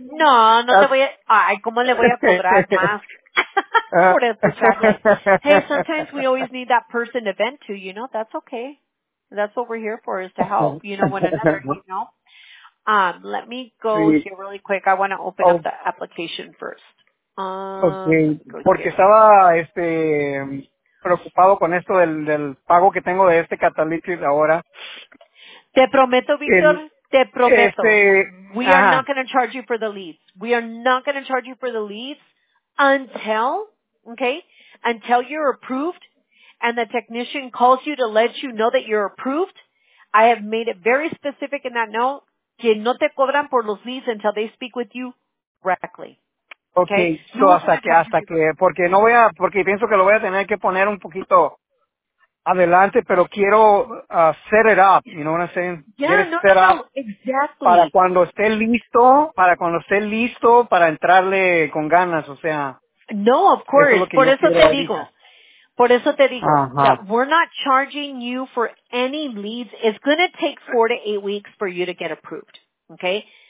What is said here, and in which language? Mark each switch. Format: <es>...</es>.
<es>No, no te voy a... Ay, ¿cómo le voy a cobrar más? Por escucharle.</es> <en>Hey, sometimes we always need that person to vent to, you know? That's okay. That's what we're here for, is to help, you know, one another, you know? Let me go here really quick. I want to open up the application first. Okay.</en> <es>Porque estaba, preocupado con esto del pago que tengo de este catalytic ahora. Te prometo, Víctor...</es> <en>Te prometo, we are not going to charge you for the leads. We are not going to charge you for the leads until you're approved and the technician calls you to let you know that you're approved, I have made it very specific in that note, que no te cobran por los leads until they speak with you directly.</en> <es>Okay, so hasta que, porque no voy a, porque pienso que lo voy a tener que poner un poquito adelante, pero quiero set it up, you know what I'm saying?</es> <en>Exactly.</en> <es>Para cuando esté listo, para entrarle con ganas, o sea.</es> <en>No, of course, por eso te digo, that we're not charging you for any leads. It's going to take 4 to 8 weeks for you to get approved, okay?</en>